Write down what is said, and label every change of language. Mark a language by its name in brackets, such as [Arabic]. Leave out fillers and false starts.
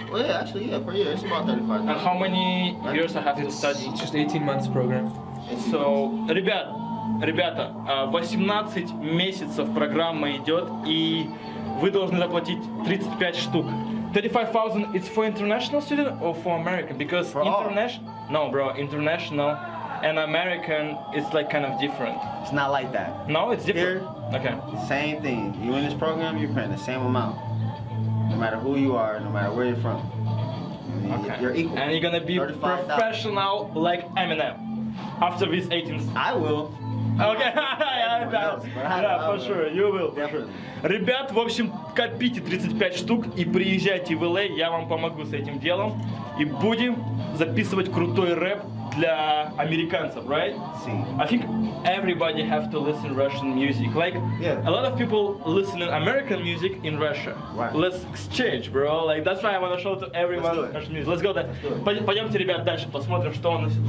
[English] Well, yeah, actually, yeah, per year it's about 35,000. And how many years I have to study? It's just 18 months program. 18 so, months. [Russian] ребята, 18 месяцев программа идет и вы должны заплатить 35 штук. [English] 35,000 it's for international student or for American? Because for No, bro, international and American is like kind of different. It's not like that. No, it's different. Here, okay. Same thing. You in this program, you're paying the same amount. No matter who you are, no matter where you're from. Okay. You're equal. And you're gonna be professional like Eminem. After these 18. I will. [Russian] Окей, да, [English] for sure, you will. [Russian] Ребят, в общем, копите 35 штук и приезжайте в LA, я вам помогу с этим делом. И будем записывать крутой рэп для американцев, [English] right? See. I think everybody have to listen Russian music. Like, yeah. a lot of people listen American music in Russia. Right. Let's exchange, bro. Like, that's why I want to show to everyone Russian music. Let's go then. [Russian] Пойдемте, ребят, дальше посмотрим, что он...